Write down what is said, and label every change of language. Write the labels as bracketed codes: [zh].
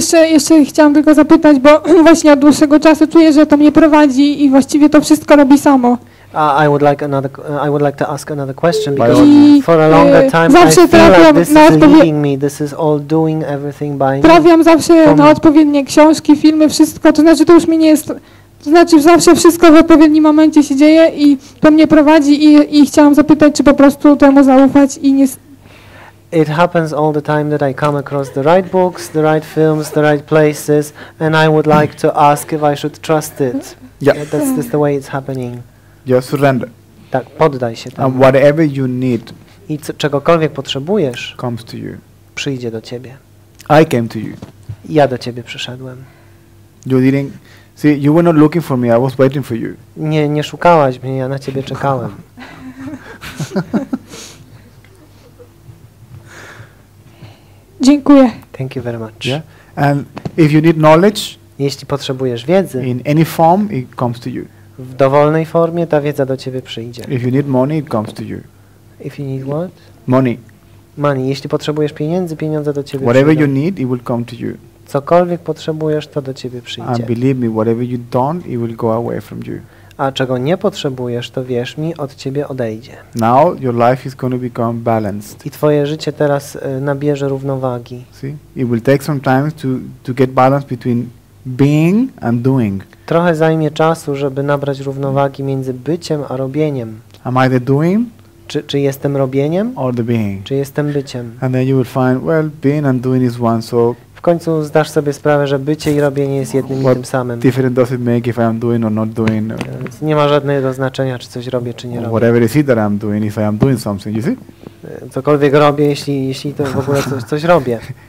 [pl] jeszcze chciałam tylko zapytać, bo właśnie od dłuższego czasu czuję, że to mnie prowadzi i właściwie to wszystko robi samo. [en] I would like to ask another question because for a longer time I feel like this is leading me, this is all doing everything by me. [pl] Trafiam zawsze na odpowiednie książki, filmy, wszystko, to znaczy to już mi nie jest. To znaczy, zawsze wszystko w odpowiednim momencie się dzieje i to mnie prowadzi i chciałam zapytać, czy po prostu temu zaufać i nie. [en] It happens all the time that I come across the right books, the right films, the right places, and I would like to ask if I should trust it. Yeah. Yeah, that's just the way it's happening. Just surrender. [pl] Tak, poddaj się temu. [en] And whatever you need. [pl] I czegokolwiek potrzebujesz. [en] Comes to you. [pl] Przyjdzie do ciebie. [en] I came to you. [pl] Ja do ciebie przyszedłem. [en] You didn't see. You were not looking for me. I was waiting for you. [pl] Nie szukałaś mnie. Ja na ciebie czekałem. Dziękuję. [en] Thank you very much. Yeah. And if you need knowledge, [pl] jeśli potrzebujesz wiedzy, [en] in any form, it comes to you. [pl] W dowolnej formie ta wiedza do ciebie przyjdzie. [en] If you need money, it comes to you. If you need what? Money. money. [pl] Jeśli potrzebujesz pieniędzy, pieniądze do ciebie [en] whatever [pl] przyjdą. [en] You need, it will come to you. [pl] Cokolwiek potrzebujesz, to do ciebie przyjdzie. [en] And believe me, whatever you don't, it will go away from you. [pl] A czego nie potrzebujesz, to wierz mi, od ciebie odejdzie. [en] Now your life is going to become balanced. [pl] I twoje życie teraz nabierze równowagi. [en] See? It will take some time to get balance between being and doing. [pl] Trochę zajmie czasu, żeby nabrać równowagi między byciem a robieniem. [en] Am I the doing? [pl] Czy jestem robieniem? [en] Or the being? [pl] Czy jestem byciem? [en] And then you will find, well, being and doing is one, so [pl] w końcu zdasz sobie sprawę, że bycie i robienie jest jednym [en] what [pl] i tym samym. [en] Difference does it make if I am doing or not doing? [pl] Nie ma żadnego znaczenia, czy coś robię, czy nie robię. [en] Whatever it is that I'm doing, if I am doing something, you see? [pl] Cokolwiek robię, jeśli to w ogóle coś robię.